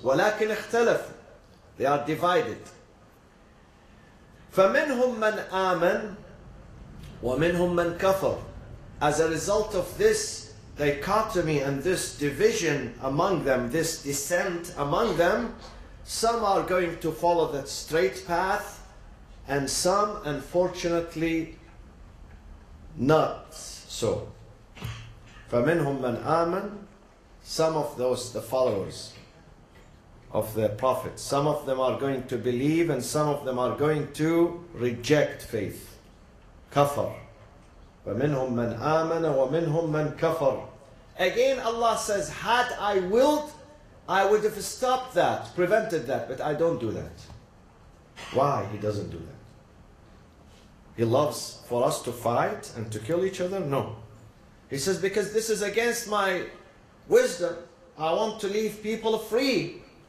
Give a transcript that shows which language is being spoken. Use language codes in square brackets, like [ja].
[ar] ولكن اختلف [en] They are divided. [ar] فمنهم من آمن ومنهم من كفر [en] As a result of this dichotomy and this division among them, this dissent among them, some are going to follow that straight path and some, unfortunately, not so. [ar] فَمِنْهُمْ مَنْ آمَنْ [en] Some of those, the followers of the Prophet, some of them are going to believe and some of them are going to reject faith. [ar] كَفَرْ فَمِنْهُمْ مَنْ آمَنَ وَمِنْهُمْ مَنْ كَفَرْ [en] Again Allah says, had I willed, I would have stopped that, prevented that, but I don't do that. Why he doesn't do that? He loves for us to fight and to kill each other? No. He says, because this is against my wisdom. I want to leave people free.